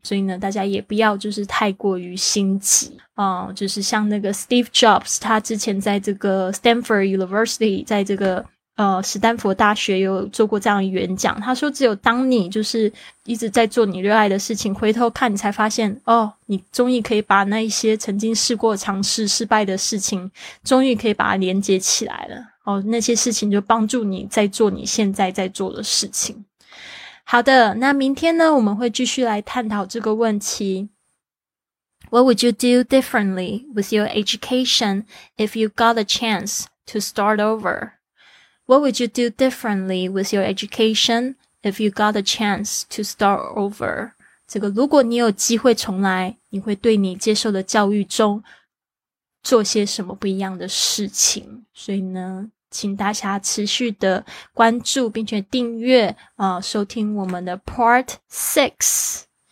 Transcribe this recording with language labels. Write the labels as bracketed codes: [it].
[zh] 所以呢，大家也不要就是太过于心急，就是像那个 Steve Jobs, 他之前在这个 Stanford University, 在这个史丹佛大学有做过这样的演讲，他说只有当你就是一直在做你热爱的事情，回头看你才发现，哦，你终于可以把那一些曾经试过尝试失败的事情终于可以把它连接起来了，那些事情就帮助你在做你现在在做的事情。好的，那明天呢，我们会继续来探讨这个问题。 [en] What would you do differently with your education if you got a chance to start over? What would you do differently with your education if you got a chance to start over? [zh] 这个如果你有机会重来，你会对你接受的教育中做些什么不一样的事情？所以呢，请大家持续的关注并且订阅，收听我们的 Part 6。